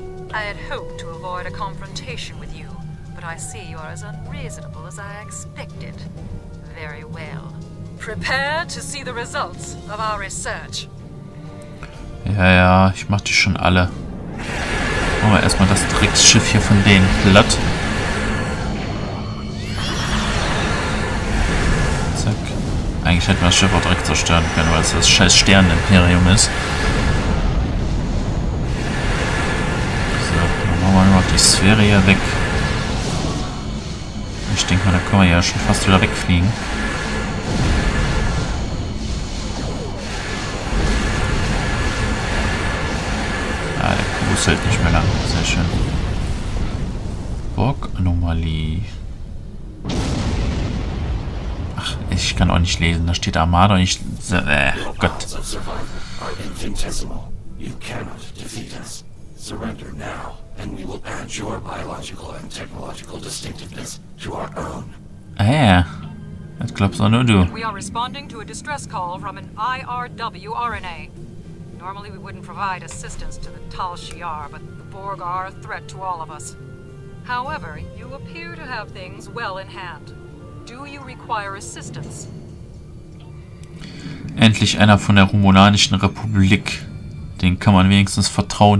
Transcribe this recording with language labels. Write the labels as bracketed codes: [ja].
[en] I had hoped to avoid a confrontation with you, but I see you are as unreasonable as I expected. Very well. Prepare to see the results of our research. [de] Ja, ich mach die schon alle. Machen wir erstmal das Drecksschiff hier von denen platt. Eigentlich hätten wir das Schiff auch direkt zerstören können, weil es das scheiß Sternenimperium ist. So, dann machen wir noch die Sphäre hier weg. Ich denke mal, da können wir ja schon fast wieder wegfliegen. Ah, der Kurs hält nicht mehr lang. Sehr schön. Borg-Anomalie. Ich kann auch nicht lesen, da steht Armada und ich... Gott. [en] You cannot defeat us. Surrender now and we will add your biological and technological distinctiveness to our own. [de] Das glaubst auch nur du. [en] We are responding to a distress call from an IRW RNA. Normally we wouldn't provide assistance to the Tal Shiar, but the Borg are a threat to all of us. However, you appear to have things well in hand. Do you require assistance? [de] Endlich einer von der Romulanischen Republik. Den kann man wenigstens vertrauen.